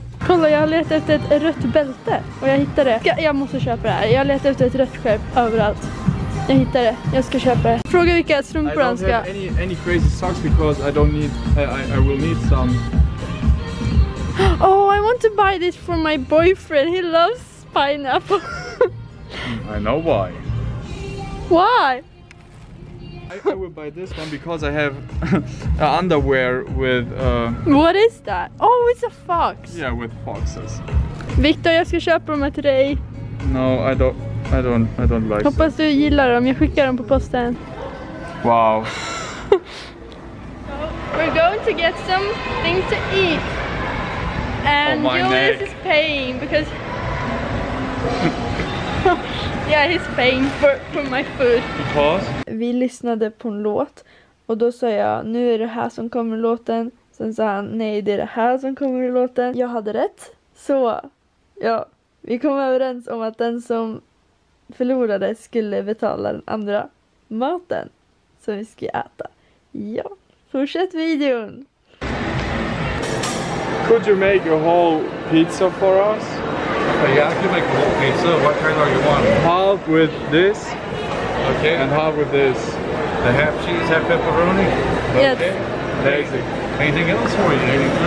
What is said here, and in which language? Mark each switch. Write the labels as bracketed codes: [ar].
[sv] Kolla, jag har letat efter ett rött bälte och jag hittade det. Jag måste köpa det här. Jag letar efter ett rött skärp överallt. Jag hittade det. Jag ska köpa det. Fråga vilka strumpor han ska. [en] I don't have any crazy socks because I don't need I will need some. Oh, I want to buy this for my boyfriend. He loves pineapple. I know why. Why? I will buy this one because I have underwear with What is that? Oh, it's a fox. Yeah, with foxes. [sv] Victor, jag ska köpa dem till dig. [en] No, I don't like. [sv] Hoppas du gillar dem. Jag skickar dem på posten. [en] Wow. We're going to get some things to eat. And oh, Julius neck. Is paying because yeah, he's paying for my food. Because [sv] vi lyssnade på en låt och då sa jag, nu är det här som kommer låten. Sen sa han, nej, det är det här som kommer låten. Jag hade rätt. Så, ja, vi kom överens om att den som förlorade skulle betala den andra maten som vi ska äta. Ja, fortsätt videon. [en] Could you make a whole pizza for us? Yeah, I can make a whole pizza. What kind are you want? Half with this. Okay. And half with this. The half cheese, half pepperoni? Okay. Yes. Amazing. Anything else for you? Anything?